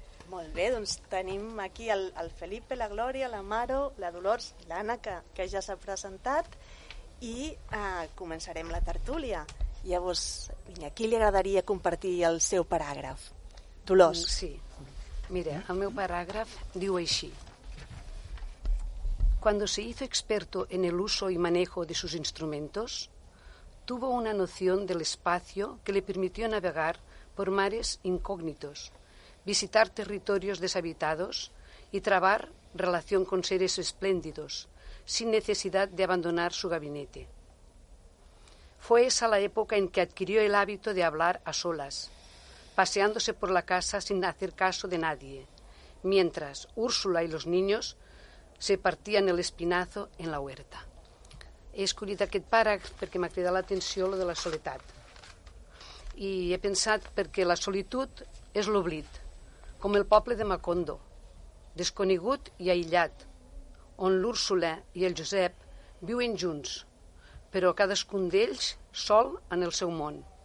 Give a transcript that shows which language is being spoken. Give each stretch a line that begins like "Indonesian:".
Catalan: Molt bé, doncs tenim aquí el Felipe, la Glòria, la Maro, la Dolors i l'Anna, que ja s'ha presentat, i començarem la tertúlia. Llavors, a qui li agradaria compartir el seu paràgraf? Dolors. Sí, mira, el meu paràgraf diu així.
Spanish: Cuando se hizo experto en el uso y manejo de sus instrumentos, tuvo una noción del espacio que le permitió navegar por mares incógnitos, visitar territorios deshabitados y trabar relación con seres espléndidos, sin necesidad de abandonar su gabinete. Fue esa la época en que adquirió el hábito de hablar a solas, paseándose por la casa sin hacer caso de nadie, mientras Úrsula y los niños se partien el espinazo en la huerta.
Catalan: He escollit aquest paràgraf perquè m'ha cridat l'atenció lo de la soledat. I he pensat perquè la solitud és l'oblit, com el poble de Macondo, desconegut i aïllat, on l'Úrsula i el Josep viuen junts, però cadascun d'ells sol en el seu món.